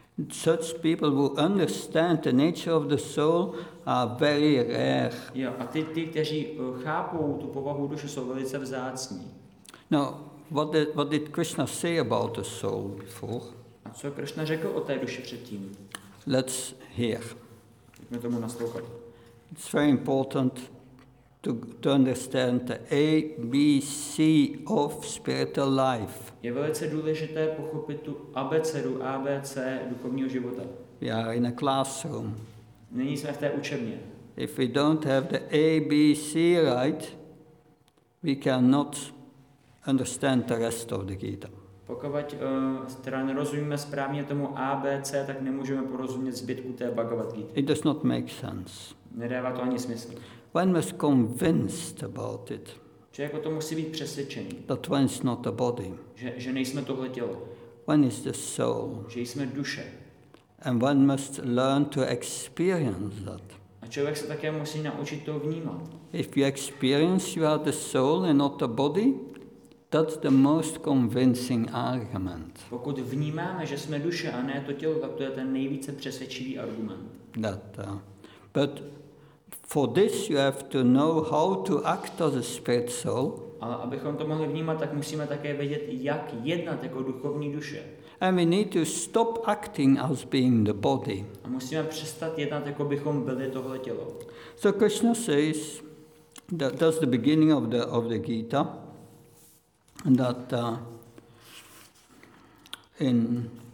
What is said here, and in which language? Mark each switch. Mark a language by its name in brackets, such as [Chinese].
[English] Such people who understand the nature of the soul are very rare. [Czech] Jo, a ty, kteří chápou tu povahu duše, jsou velice vzácní. [English] Now, what did Krishna say about the soul before? [Czech] A co Krishna řekl o té duši předtím? [English] Let's hear. [Czech] Pojďme tomu naslouchat. [English] It's very important to understand the A, B, C of spiritual life. [Czech] Je velice důležité pochopit tu abecedu, ABC duchovního života. [English] We are in a classroom. [Czech] Nyní jsme v té učebně. [English] If we don't have the A, B, C right, we cannot understand the rest of the Gita. [Czech] Pokud nerozumíme správně tomu ABC, tak nemůžeme porozumět zbytku té Bhagavad Gita. [English] It does not make sense. [Czech] Nedává to ani smysl. [English] One must convinced about it. [Czech] Člověk o tom musí být přesvědčený. [English] That one is not the body. [Czech] Že nejsme tohle tělo. [English] One is the soul. [Czech] Že jsme duše. [English] And one must learn to experience that. [Czech] A člověk se také musí naučit to vnímat. [English] If you experience you are the soul and not the body, that's the most convincing argument. [Czech] Pokud vnímáme, že jsme duše a ne to tělo, tak to je ten nejvíce přesvědčivý argument. [English] But for this you have to know how to act as a spirit soul. [Czech] Ale abychom to mohli vnímat, tak musíme také vědět, jak jednat jako duchovní duše. [English] And we need to stop acting as being the body. [Czech] A musíme přestat jednat, jako bychom byli tohle tělo. [English] So Krishna says that that's the beginning of the Gita, that in